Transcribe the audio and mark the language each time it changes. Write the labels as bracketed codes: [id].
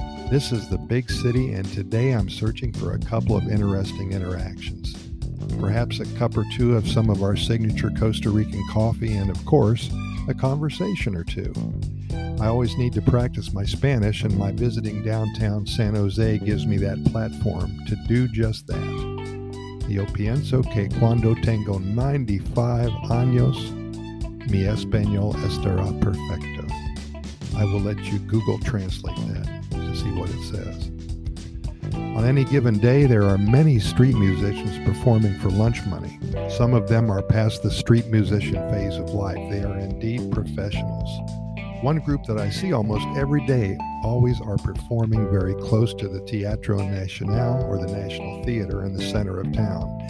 [en] This is the big city, and today I'm searching for a couple of interesting interactions. Perhaps a cup or two of some of our signature Costa Rican coffee, and of course, a conversation or two. I always need to practice my Spanish, and my visiting downtown San Jose gives me that platform to do just that. [es] Yo pienso que cuando tengo 95 años, mi español estará perfecto. [en] I will let you Google translate that to see what it says. On any given day, there are many street musicians performing for lunch money. Some of them are past the street musician phase of life. They are indeed professionals. One group that I see almost every day always are performing very close to the Teatro Nacional or the National Theater in the center of town.